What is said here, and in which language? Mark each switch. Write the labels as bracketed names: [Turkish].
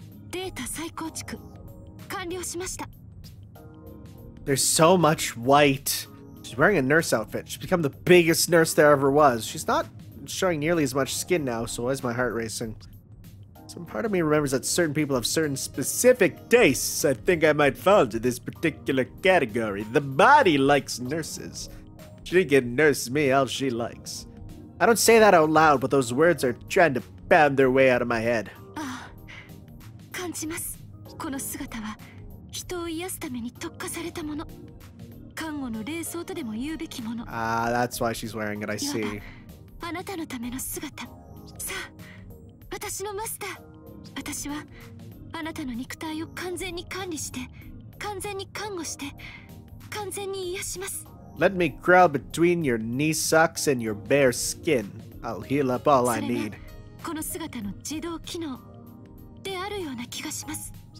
[Japanese] データ再構築完了しました。 [English] There's so much white. She's wearing a nurse outfit. She's become the biggest nurse there ever was. She's not showing nearly as much skin now, so why is my heart racing? Some part of me remembers that certain people have certain specific tastes. I think I might fall into this particular category. The body likes nurses. She can nurse me all she likes. I don't say that out loud, but those words are trying to bam their way out of my head. [Japanese] Ah, 感じます。この姿は人を癒すために特化されたもの。看護の霊装とでも言うべきもの。 [English] Ah, that's why she's wearing it, I see. [Japanese] あなたのための姿。さあ、私のマスター。私はあなたの肉体を完全に管理して、完全に看護して、完全に癒します。 [English] Let me crawl between your knee socks and your bare skin. I'll heal up all I need. [Japanese] この姿の自動機能であるような気がします。